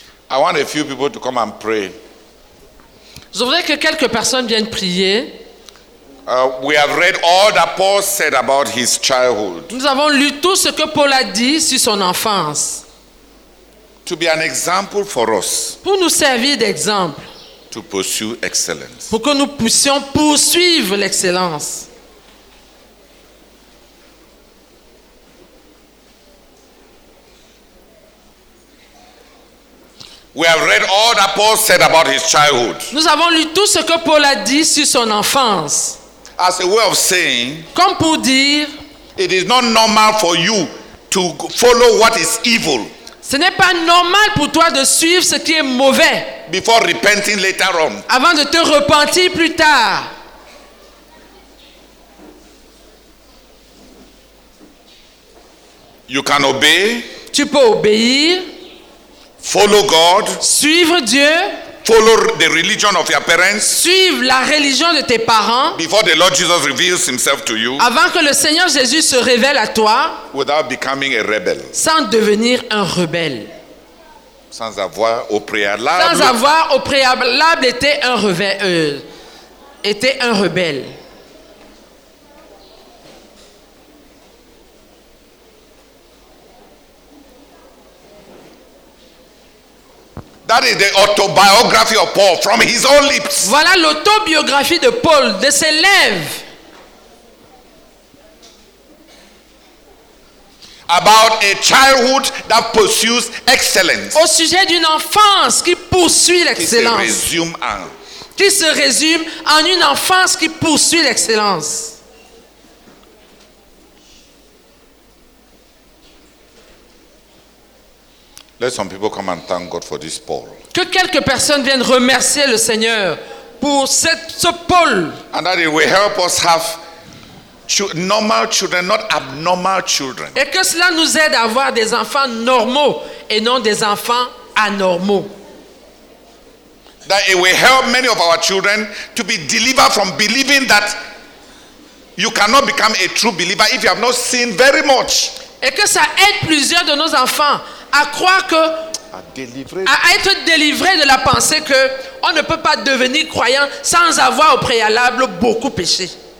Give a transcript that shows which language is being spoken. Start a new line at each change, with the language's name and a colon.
English: I want a few people to come and pray.
French: Je voudrais que quelques personnes viennent prier.
English: We have read all that Paul said about his childhood.
French: Nous avons lu tout ce que Paul a dit sur son enfance.
English: To be an example for us.
French: Pour nous servir d'exemple.
English: To pursue excellence.
French: Pour que nous puissions poursuivre l'excellence.
English: We have read all that Paul said about his childhood.
French: Nous avons lu tout ce que Paul a dit sur son enfance.
English: As a way of saying.
French: Comme pour dire.
English: It is not normal for you to follow what is evil.
French: Ce n'est pas normal pour toi de suivre ce qui est mauvais.
English: Before repenting later on.
French: Avant de te repentir plus tard.
English: You can obey.
French: Tu peux obéir.
English: Follow God.
French: Suivre Dieu.
English: Follow the religion of your parents.
French: Suivre la religion de tes parents.
English: Before the Lord Jesus reveals himself to you.
French: Avant que le Seigneur Jésus se révèle à toi.
English: Without becoming a rebel.
French: Sans devenir un rebelle. Sans avoir au préalable. Sans avoir au préalable été un rebelle.
English: That is the autobiography of Paul from his own lips.
French: Voilà l'autobiographie de Paul, de ses lèvres.
English: About a childhood that pursues excellence.
French: Au sujet d'une enfance qui poursuit l'excellence. Qui se résume en une enfance qui poursuit l'excellence.
English: Let some people come and thank God for this Paul.
French: Que quelques personnes viennent remercier le Seigneur pour ce Paul.
English: And that it will help us have normal children, not abnormal children.
French: Et que cela nous aide à avoir des enfants normaux et non des enfants anormaux.
English: That it will help many of our children to be delivered from believing that you cannot become a true believer if you have not seen very much.
French: Et que ça aide plusieurs de nos enfants à croire que à être délivré de la pensée que on ne peut pas devenir croyant sans avoir au préalable beaucoup péché.